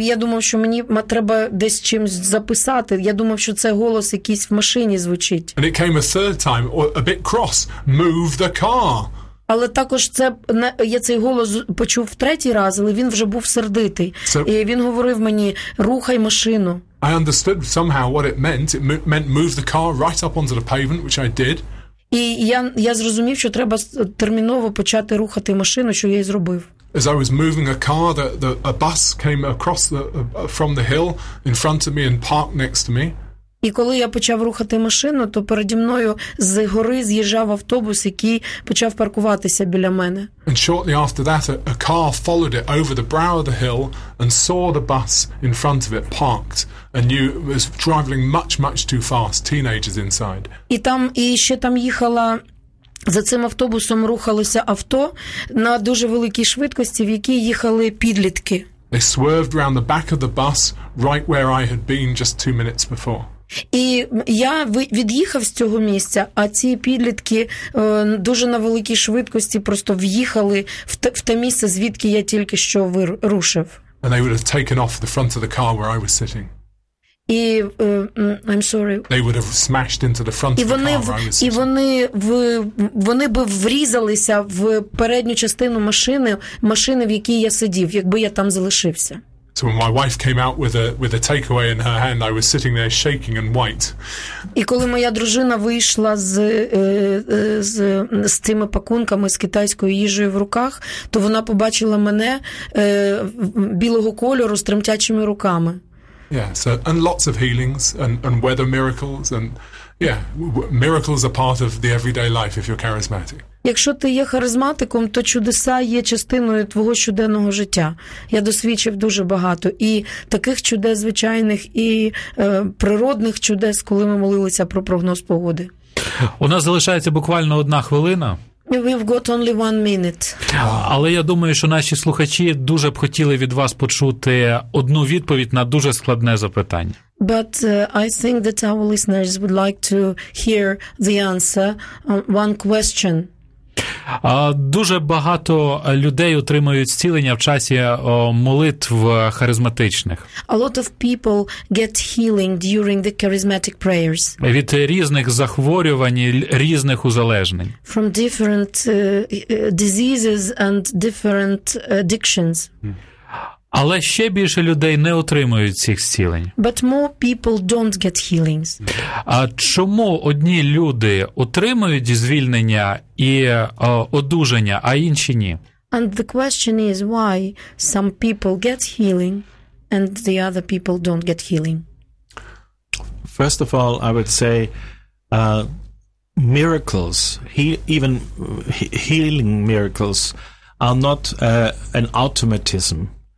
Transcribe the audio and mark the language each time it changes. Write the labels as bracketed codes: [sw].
[uk] Я думав, що мені треба десь чимось записати. Я думав, що це голос якийсь в машині звучить. [en] And it came a third time, a bit cross, move the car. [uk] Але також я цей голос почув в третій раз, але він вже був сердитий. І він говорив мені: рухай машину. [en] I understood somehow what it meant. It meant move the car right up onto the pavement, which I did. [uk] І я зрозумів, що треба терміново почати рухати машину, що я й зробив. [en] As I was moving a car, a bus came across from the hill in front of me and parked next to me. [uk] І коли я почав рухати машину, то переді мною з гори з'їжджав автобус, який почав паркуватися біля мене. [en] And shortly after that, a car followed it over the brow of the hill and saw the bus in front of it parked. And knew it was traveling much, much too fast. Teenagers inside. [uk] І там, і ще там їхала, за цим автобусом рухалося авто на дуже великій швидкості, в якій їхали підлітки. [en] They swerved around the back of the bus, right where I had been just 2 minutes before. [uk] І я від'їхав з цього місця, а ці підлітки дуже на великій швидкості просто в'їхали в те місце, звідки я тільки що рушив. [en] And they would have taken off the front of the car where I was sitting. І I'm sorry. They would have smashed into the front of the car where I was sitting. [uk] Вони би врізалися в передню частину машини, в якій я сидів, якби я там залишився. [en] So when my wife came out with a takeaway in her hand, I was sitting there shaking and white. [uk] І коли моя дружина вийшла з цими пакунками з китайською їжею в руках, то вона побачила мене білого кольору з тремтячими руками. [en] Yeah, so and lots of healings and weather miracles and yeah, miracles are part of the everyday life if you're charismatic. [uk] Якщо ти є харизматиком, то чудеса є частиною твого щоденного життя. Я досвідчив дуже багато і таких чудес звичайних, і природних чудес, коли ми молилися про прогноз погоди. У нас залишається буквально одна хвилина. [en] We've got only 1 minute. [uk] Але я думаю, що наші слухачі дуже б хотіли від вас почути одну відповідь на дуже складне запитання. [en] But I think that our listeners would like to hear the answer on one question. [uk] Дуже багато людей отримують зцілення в часі молитв харизматичних. [en] A lot of people get healing during the charismatic prayers. [uk] Від різних захворювань, різних узалежнень. [en] From different diseases and different addictions. [uk] Але ще більше людей не отримують цих зцілень. [en] But more people don't get healings. [uk] А чому одні люди отримують звільнення і одужання, а інші ні? [en] And the question is why some people get healing and the other people don't get healing. First of all, I would say miracles, even healing miracles, are not an automatism.